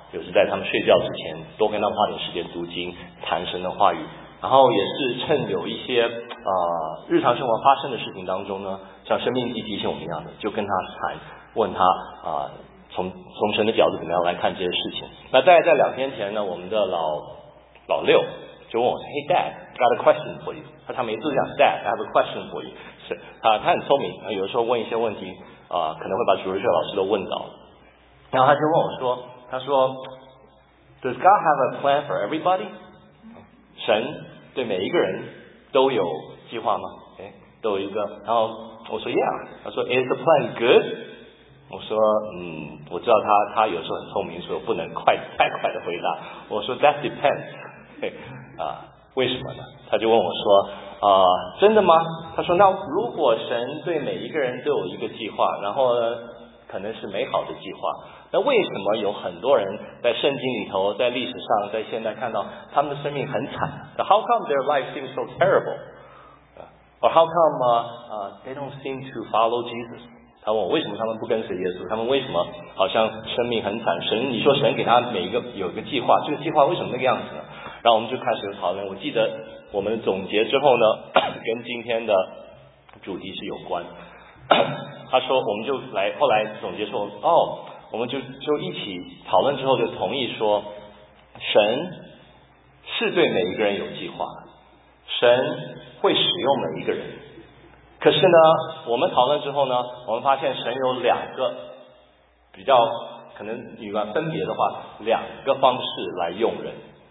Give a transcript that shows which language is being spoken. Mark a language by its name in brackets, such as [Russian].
[Chinese] 就是在他们睡觉之前多跟他们花点时间读经谈神的话语，然后也是趁有一些日常生活发生的事情当中呢，像生命记提醒我们一样的，就跟他谈，问他从神的角度怎么样来看这些事情。那大概在两天前呢，我们的老六就问我说 [English] Hey Dad, got a question for you。他每次都讲 Dad, I have a question for you。 [Chinese] 是他很聪明，有的时候问一些问题可能会把主日学老师都问到。 [English] 然后他说 Does God have a plan for everybody? [Chinese] 神对每一个人都有计划吗？哎，都有一个。然后我说 [English] Yeah。他说 Is the plan good？ [Chinese] 我说我知道他有时候很聪明，所以我不能太快的回答。我说 [English] That depends。 [Chinese] 为什么呢？他就问我说真的吗？他说那如果神对每一个人都有一个计划，然后呢可能是美好的计划，那为什么有很多人在圣经里头，在历史上，在现在看到他们的生命很惨？ [English] How come their life seems so terrible? Or how come they don't seem to follow Jesus? [Chinese] 他问我为什么他们不跟随耶稣，他们为什么好像生命很惨，神，你说神给他每一个有一个计划，这个计划为什么那个样子呢？然后我们就开始讨论。我记得我们总结之后呢，跟今天的主题是有关。他说我们就来，后来总结说我们就一起讨论之后就同意说，神是对每一个人有计划，神会使用每一个人，可是呢我们讨论之后呢，我们发现神有两个比较可能与分别的话，两个方式来用人。